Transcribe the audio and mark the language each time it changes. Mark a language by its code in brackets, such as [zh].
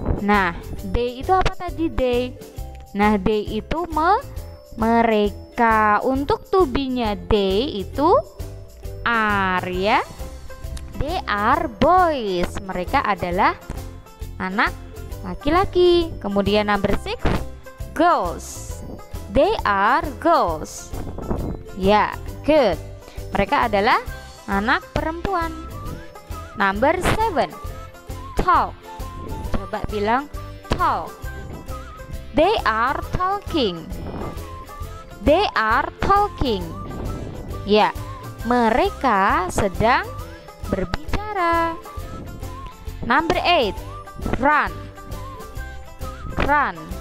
[id] Nah, they itu apa tadi? They. Nah, they itu mereka. Untuk to be-nya they itu are ya. They are boys. Mereka adalah anak laki-laki. [en] Kemudian number six, girls. They are girls. Ya, yeah, good. [id] Mereka adalah anak perempuan. [en] Number 7. Talk. Coba bilang talk. They are talking. They are talking. [id] Ya, mereka sedang berbicara. Number 8. Run. Run.